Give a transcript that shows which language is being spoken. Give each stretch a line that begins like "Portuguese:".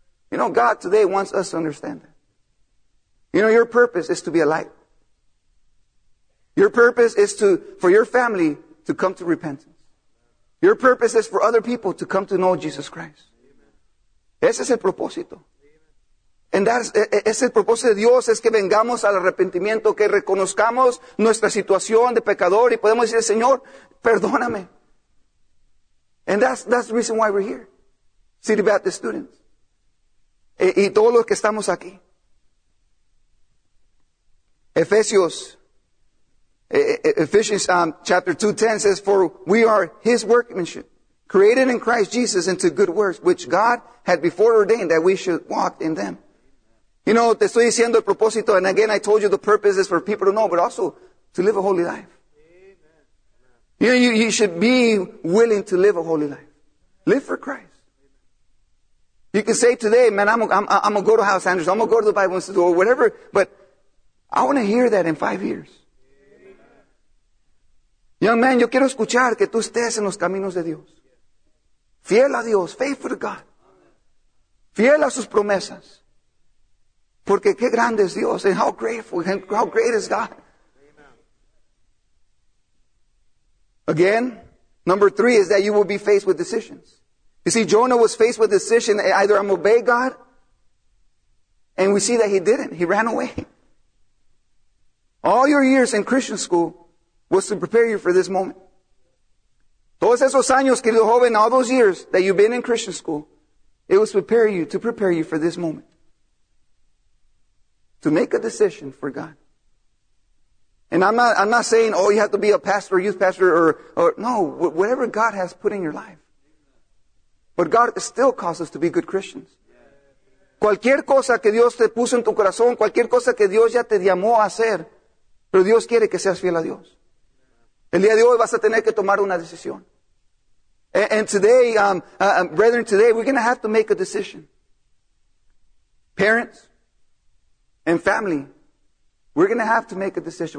English: You know, God today wants us to understand that. You know, your purpose is to be a light. Your purpose is for your family to come to repentance. Your purpose is for other people to come to know Jesus Christ.
Spanish: Ese es el propósito.
English: And that's,
Spanish: ese propósito de Dios es que vengamos al arrepentimiento, que reconozcamos nuestra situación de pecador y podemos decir, Señor, perdóname.
English: And that's the reason why we're here. City Baptist students.
Spanish: Y todos los que estamos aquí. Efesios.
English: Ephesians chapter 2:10 says, for we are his workmanship, created in Christ Jesus into good works, which God had before ordained that we should walk in them. You know,
Spanish: te estoy diciendo el propósito,
English: and again I told you the purpose is for people to know, but also to live a holy life. Amen. You know, you should be willing to live a holy life. Live for Christ. You can say today, man, I'm gonna go to House Andrews, I'm gonna go to the Bible Institute or whatever, but I want to hear that in 5 years. Amen. Young man,
Spanish: yo quiero escuchar que tú estés en los caminos de Dios. Fiel a Dios,
English: faithful to God.
Spanish: Fiel a sus promesas. Porque qué grande es Dios,
English: and how grateful, and how great is God. Again, number 3 is that you will be faced with decisions. You see, Jonah was faced with a decision, either I'm obey God, and we see that he didn't, he ran away. All your years in Christian school was to prepare you for this moment.
Spanish: Todos esos años, querido joven,
English: all those years that you've been in Christian school, it was to prepare you for this moment. To make a decision for God. And I'm not saying, oh, you have to be a pastor, or youth pastor, or no, whatever God has put in your life. But God still calls us to be good Christians.
Spanish: Cualquier cosa que Dios te puso en tu corazón, cualquier cosa que Dios ya te llamó a hacer, pero Dios quiere que seas fiel a Dios. El día de hoy vas a tener que tomar una decisión.
English: And today, brethren, today, we're going to have to make a decision. Parents, and family, we're going to have to make a decision.